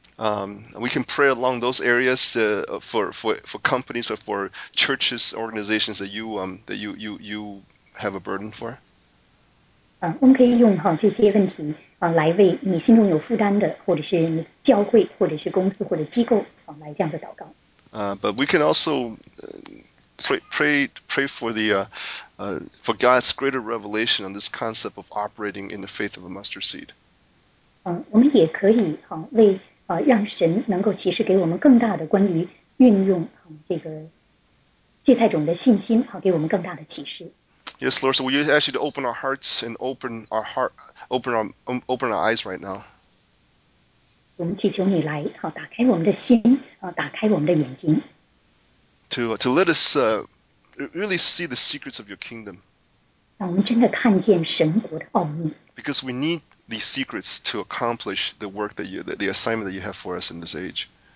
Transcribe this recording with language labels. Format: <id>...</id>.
<en>We can pray along those areas for companies or for churches, organizations that you have a burden for.</en> <zh>我们可以用这些问题来为你心中有负担的，或者是你教会，或者是公司或者机构来这样的祷告。</zh> <en>But we can also pray for for God's greater revelation on this concept of operating in the faith of a mustard seed.</en> <zh>我们也可以为让神能够其实给我们更大的关于运用这个芥菜种的信心，给我们更大的启示。</zh> <en>Yes, Lord, so we ask you to open our hearts and open our eyes right now.</en> <zh>我们祈求你来打开我们的心，打开我们的眼睛。</zh> <en>To let us really see the secrets of your kingdom.</en> <zh>让我们真的看见神国的奥秘。</zh> <en>Because we need these secrets to accomplish the work that the assignment that you have for us in this age.</en>